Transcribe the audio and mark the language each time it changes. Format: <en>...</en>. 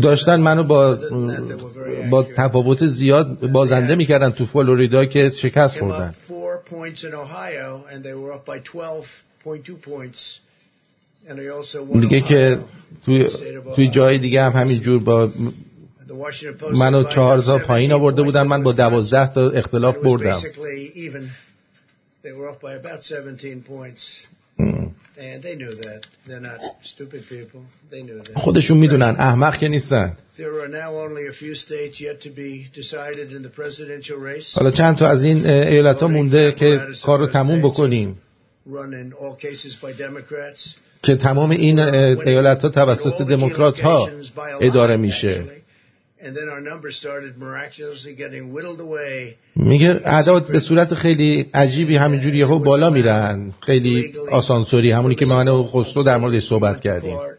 <fa>داشتن منو با تفاوت زیاد بازنده میکردن تو فلوریدا که شکست خوردن.</fa> <en>Four points in Ohio, and they were up by 12.2 points. And I also won.</en> <fa>دیگه که توی جای دیگه هم همین جور با منو 4 تا پایین آورده بودن، من با 12 تا اختلاف بردم.</fa> <en>They were up by about 17 points. And they knew that they're not stupid people. They knew that.</en> <fa>خودشون میدونن احمق که نیستن.</fa> <en>There are now only a few states yet to be decided in the presidential race.</en> <fa>حالا چند تا از این ایالت ها مونده که کارو تموم بکنیم.</fa> <en>Run in all cases by Democrats.</en> <fa>که تمام این ایالت ها توسط دموکرات ها اداره میشه.</fa> <en>And then our numbers started miraculously getting whittled away.</en> <fa>میگه اعداد به صورت خیلی عجیبی همینجوری یهو بالا میرن، خیلی آسانسوری، همونی که من و خسرو در مورد صحبت کردیم.</fa>